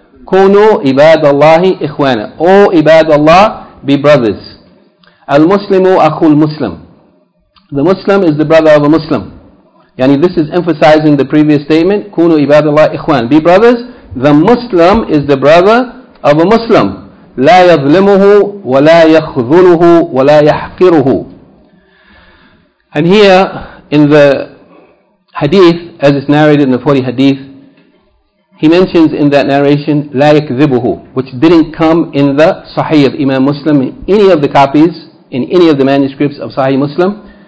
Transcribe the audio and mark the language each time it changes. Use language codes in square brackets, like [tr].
[ar] Kunu ibadallahi ikhwana. [en] O ibadallah, be brothers. [ar] Al muslimu akhul muslim. [en] The Muslim is the brother of a Muslim. Yani this is emphasizing the previous statement. [ar] Kunu ibadallahi ikhwan. [en] Be brothers. The Muslim is the brother of a Muslim. [ar] لا يظلمه ولا يخذله ولا يحقره. [en] And here in the hadith, as it's narrated in the 40 hadith, he mentions in that narration لا يكذبه, which didn't come in the Sahih of Imam Muslim in any of the copies, in any of the manuscripts of Sahih Muslim.